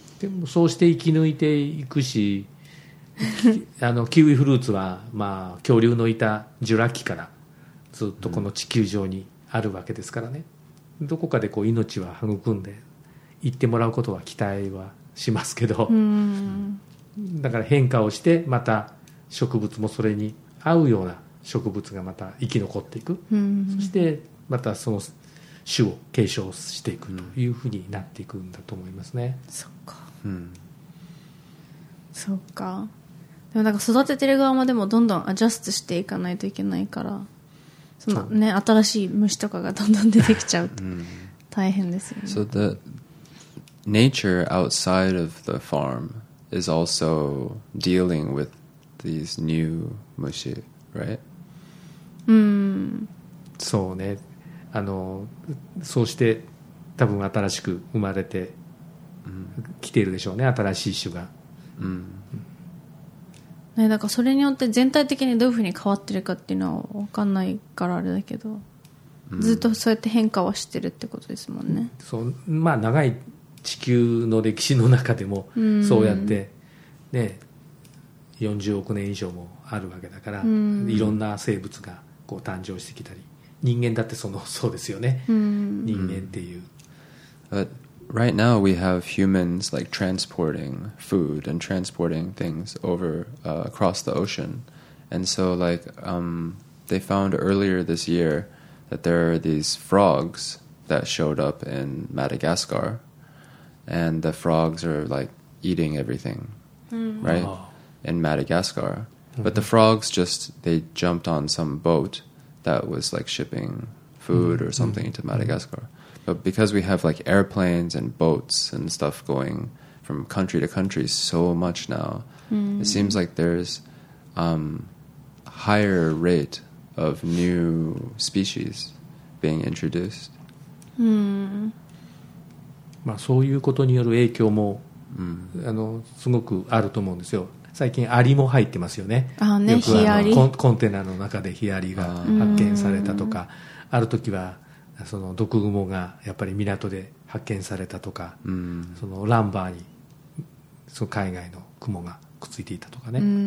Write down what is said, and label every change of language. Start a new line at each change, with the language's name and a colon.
Japanese: でもそうして生き抜いていくし。あのキウイフルーツは、まあ、恐竜のいたジュラ紀からずっとこの地球上にあるわけですからね、どこかでこう命は育んで行ってもらうことは期待はしますけど、だから変化をしてまた植物もそれに合うような植物がまた生き残っていく、そしてまたその種を継承していくというふうになっていくんだと思いますね。そっか、そっか。でもなんか育ててる側もでもどんどんアジャストしていかないといけないから、そのね、新しい虫とかがどんどん出てきちゃうと大変ですよね。
English: So the nature outside of the farm is also dealing with these new mushi, right? Mm.
Japanese: そうね。あの、そうして多分新しく生まれて来ているでしょうね。新しい種が。 Mm. ね、だからそれによって全体的にどういうふうに変わってるかっていうのは分かんないからあれだけど、mm. ずっとそうやって変化はしてるってことですもんね。そう、まあ長い地球の歴史の中でもそうやって、ね、40億年以上もあるわけだから、いろんな生物がこう誕生してきたり、人間だってそのそうですよね、人間っていう。
English: But right now we have humans like transporting food and transporting things over across the ocean, and so like they found earlier this year that there are these frogs that showed up in MadagascarAnd the frogs are like eating everything, right? In Madagascar. But the frogs just, they jumped on some boat that was like shipping food or something to Madagascar. But because we have like airplanes and boats and stuff going from country to country so much now, it seems like there's higher rate of new species being introduced.
Japanese: まあ、そういうことによる影響も、あのすごくあると思うんですよ。最近アリも入ってますよね。あねよくあのコンテナの中でヒアリが発見されたとか、ある時はその毒蜘蛛がやっぱり港で発見されたとか、そのランバーにその海外の蜘蛛がくっついていたとかね。